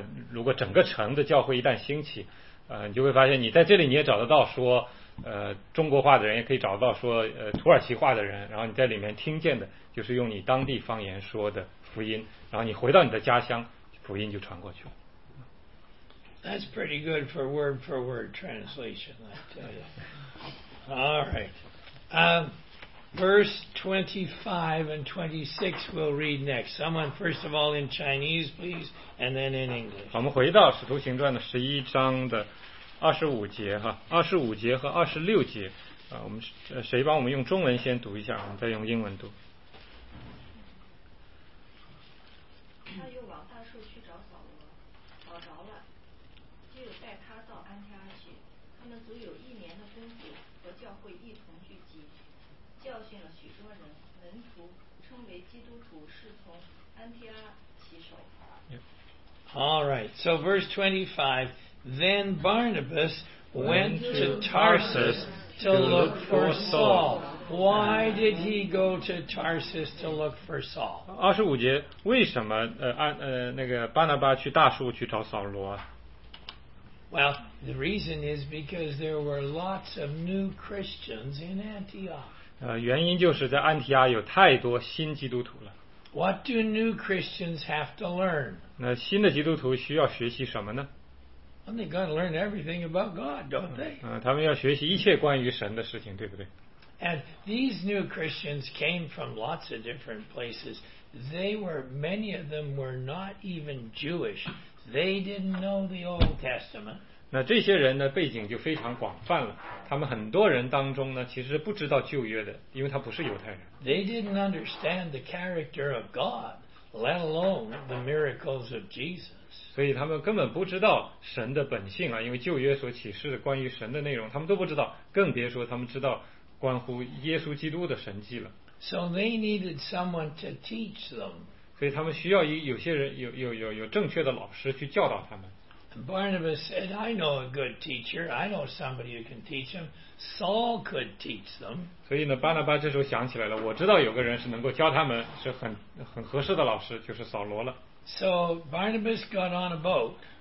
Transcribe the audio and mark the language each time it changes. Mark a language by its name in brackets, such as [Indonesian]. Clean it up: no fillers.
[Chinese] 如果整个城的教会一旦兴起你就会发现你在这里你也找得到说中国话的人，也可以找到说土耳其话的人，然后你在里面听见的就是用你当地方言说的福音，然后你回到你的家乡，福音就传过去了。 [English] That's pretty good for word translation, I tell you. All right. Verse 25 and 26 we'll read next. Someone first of all in Chinese, please, and then in English. [Chinese] 我们回到《使徒行传》的十一章的二十五节哈，二十五节和二十六节我们谁帮我们用中文先读一下，我们再用英文读。他又往大树去找扫罗，找着了，就带他到安提阿去。他们足有一年的功夫，和教会一同聚集，教训了许多人，门徒称为基督徒，是从安提阿起手。 [English] All right, so verse 25. Then Barnabas went to Tarsus to look for Saul. Why did he go to Tarsus to look for Saul? [Chinese] 二十五节，为什么那个巴拿巴去大树去找扫罗？ [English] Well, the reason is because there were lots of new Christians in Antioch. [Chinese] 原因就是在安提阿有太多新基督徒了。 [English] What do new Christians have to learn? [Chinese] 那新的基督徒需要学习什么呢？ [English] And they got to learn everything about God, don't they? [Chinese] 他们要学习一切关于神的事情，对不对？ [English] And these new Christians came from lots of different places. They were, many of them were not even Jewish. They didn't know the Old Testament. [Chinese] 那这些人呢，背景就非常广泛了。他们很多人当中呢，其实不知道旧约的，因为他不是犹太人。 [English] They didn't understand the character of God. Let alone the miracles of Jesus. [Chinese] 所以他们根本不知道神的本性啊，因为旧约所启示的关于神的内容，他们都不知道，更别说他们知道关乎耶稣基督的神迹了。 [English] So they needed someone to teach them. [Chinese] 所以他们需要有些人有正确的老师去教导他们。 [English] Barnabas said, "I know a good teacher. I know somebody who can teach them. Saul could teach them." [Chinese] 所以呢，巴拿巴这时候想起来了，我知道有个人是能够教他们，是很合适的老师，就是扫罗了。 [English] So Barnabas got on a boat.